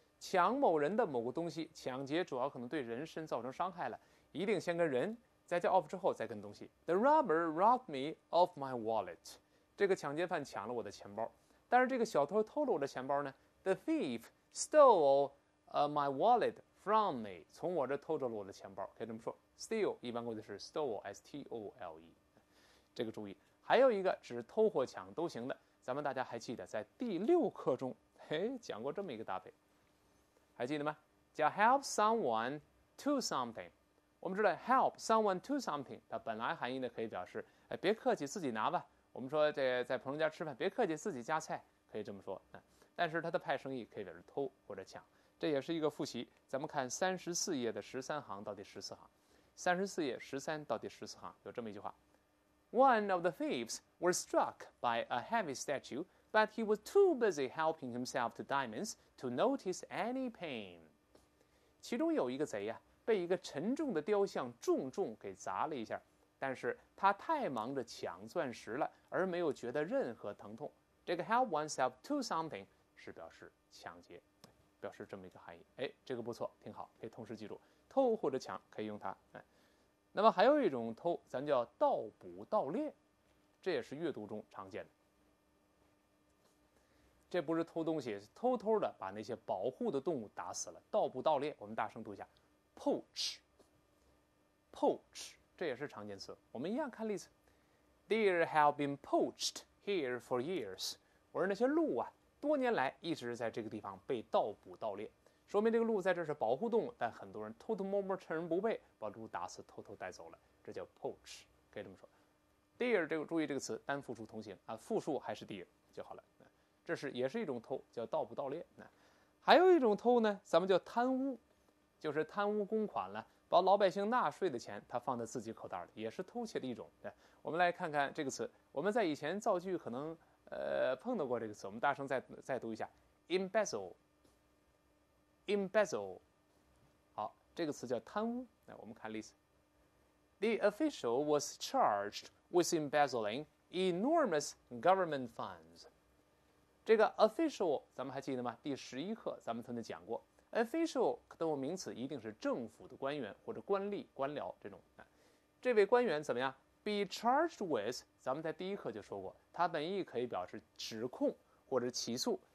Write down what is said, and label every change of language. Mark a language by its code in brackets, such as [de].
[zh] 抢某人的某个东西，抢劫主要可能对人身造成伤害了，一定先跟人，再叫 off 之后再跟东西。 [en] The robber robbed me of my wallet。 [zh] 这个抢劫犯抢了我的钱包，但是这个小偷偷了我的钱包呢？ [en] The thief stole my wallet from me。 [zh] 从我这偷走了我的钱包，可以这么说。 Steal 一般过去式 stole，S T O L E。这个注意，还有一个指偷或抢都行的。咱们大家还记得在第六课中，讲过这么一个搭配，还记得吗？叫 [en] help someone to something。 [zh] 我们知道 help someone to something， 它本来含义呢可以表示，哎，别客气，自己拿吧。我们说这在朋友家吃饭，别客气，自己夹菜，可以这么说。但是它的派生意可以表示偷或者抢，这也是一个复习。咱们看34页的13行到第14行，34页13到第14行有这么一句话。 [en] One of the thieves was struck by a heavy statue, but he was too busy helping himself to diamonds to notice any pain. [zh] 其中有一个贼被一个沉重的雕像重重给砸了一下，但是他太忙着抢钻石了，而没有觉得任何疼痛。这个 [en] help oneself to something [zh] 是表示抢劫，表示这么一个含义。哎，这个不错，挺好，可以同时记住，偷或者抢可以用它。那么还有一种偷，咱叫盗捕盗猎，这也是阅读中常见的。这不是偷东西，偷偷的把那些保护的动物打死了。盗捕盗猎，我们大声读一下 ，poach， poach， 这也是常见词。我们一样看例子 [en] ，Deer have been poached here for years。 [zh] 我说那些鹿啊，多年来一直在这个地方被盗捕盗猎。说明这个鹿在这是保护动物，但很多人偷偷摸摸趁人不备把鹿打死，偷偷带走了，这叫 poach， 可以这么说。 Deer 这个注意这个词，单复数同形啊，复数还是 deer 就好了。这是也是一种偷，叫盗捕盗猎。还有一种偷呢，咱们叫贪污，就是贪污公款了，把老百姓纳税的钱他放在自己口袋里，也是偷窃的一种。我们来看看这个词，我们在以前造句可能碰到过这个词，我们大声再读一下 embezzle。 Embezzle， 好，这个词叫贪污。来，我们看例子。 [en] The official was charged with embezzling enormous government funds。 [zh] 这个 official， 咱们还记得吗？第11课咱们曾经讲过 ，official 当名词一定是政府的官员或者官吏、官僚这种。这位官员怎么样 ？ [en] Be charged with， [zh] 咱们在第一课就说过，它本意可以表示指控或者起诉。